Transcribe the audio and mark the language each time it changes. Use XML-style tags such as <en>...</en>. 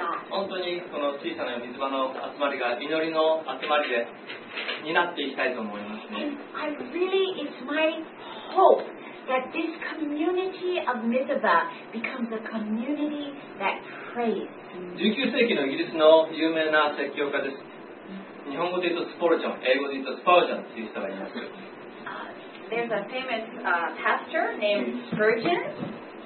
<ja>本当にこの小さな水場の集まりが祈りの集まりでになっていきたいと思います、ね、</ja> <en>I really, it's my hope that this community of Mizuba becomes a community that prays.</en> <ja>19世紀のイギリスの有名な説教家です。日本語で言うとスポルジョン、英語で言うとスパージョンという人がいます。</ja> <en>There's a famous pastor named Spurgeon.</en>